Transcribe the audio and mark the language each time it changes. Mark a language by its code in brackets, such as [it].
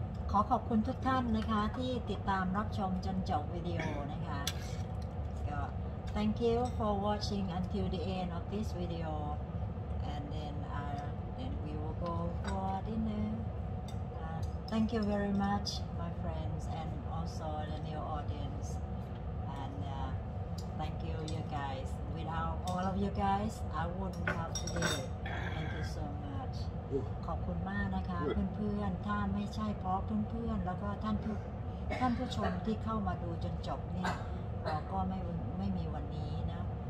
[th] ขอขอบคุณทุกท่านนะคะที่ติดตามรับชมจนจบวิดีโอนะคะ [en] Thank you for watching until the end of this video. And then we will go for dinner. Thank you very much, my friends, and also the new audience. And thank you, you guys. Without all of you guys, I wouldn't have today. Thank you so much. [th] ขอบคุณมากนะคะเพื่อนๆถ้าไม่ใช่เพราะเพื่อนๆแล้วก็ท่านผู้ชมที่เข้ามาดูจนจบเนี่ยก็ไม่มีวันนี้นะ